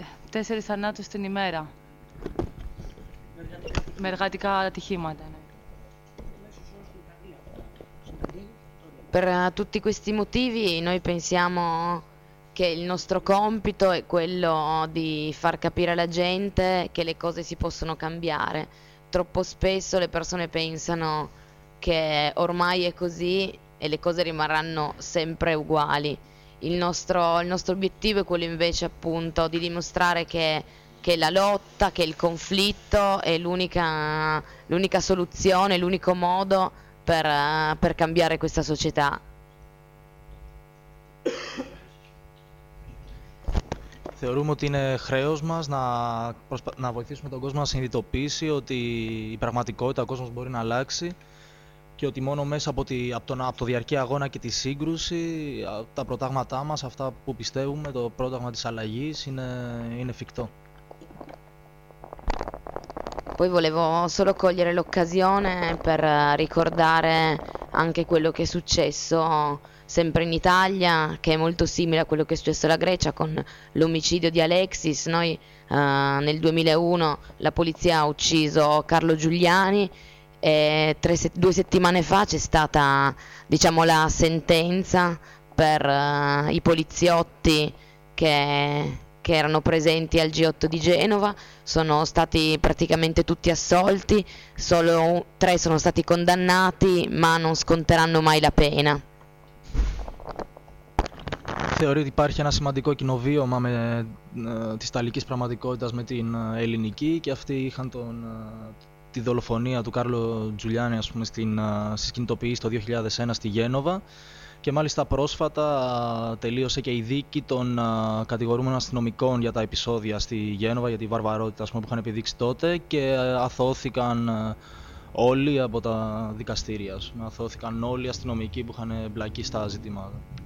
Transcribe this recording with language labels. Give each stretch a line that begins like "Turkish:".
Greek: Τέσσερις θανάτους την ημέρα. Με εργατικά ατυχήματα, ναι.
Italian: Per tutti questi motivi noi pensiamo che il nostro compito è quello di far capire alla gente che le cose si possono cambiare. Troppo spesso le persone pensano che ormai è così e le cose rimarranno sempre uguali. Il nostro obiettivo è quello invece appunto di dimostrare che la lotta, che il conflitto è l'unica soluzione, l'unico modo per cambiare questa società.
Greek: Θεωρούμε ότι είναι χρέος μας να βοηθήσουμε τον κόσμο να συνειδητοποιήσει ότι η πραγματικότητα, ο κόσμος μπορεί να αλλάξει και ότι μόνο μέσα από το διαρκή αγώνα και τη σύγκρουση, τα προτάγματά μας, αυτά που πιστεύουμε, το πρόταγμα της αλλαγής, είναι εφικτό.
Italian: Poi volevo solo cogliere l'occasione per ricordare anche quello che è successo sempre in Italia, che è molto simile a quello che è successo alla Grecia con l'omicidio di Alexis. Noi nel 2001 la polizia ha ucciso Carlo Giuliani e 2 settimane fa c'è stata, diciamo, la sentenza per i poliziotti che che erano presenti al G8 di Genova, sono stati praticamente tutti assolti, solo tre sono stati condannati, ma non sconteranno mai la pena.
Greek: Θεωρεί ότι υπάρχει ένα σημαντικό κοινοβίωμα με της ιταλικής πραγματικότητας με την ελληνική και αυτοί είχαν τη δολοφονία του Κάρλο Τζουλιάνι, ας πούμε, στις κινητοποιήσεις το 2001 στη Γένοβα και μάλιστα πρόσφατα τελείωσε και η δίκη των κατηγορούμενων αστυνομικών για τα επεισόδια στη Γένοβα, για τη βαρβαρότητα, ας πούμε, που είχαν επιδείξει τότε και αθώθηκαν όλοι από τα δικαστήρια, ας πούμε, αθώθηκαν όλοι οι αστυνομικοί που είχαν εμπλακεί στα ζητήματα.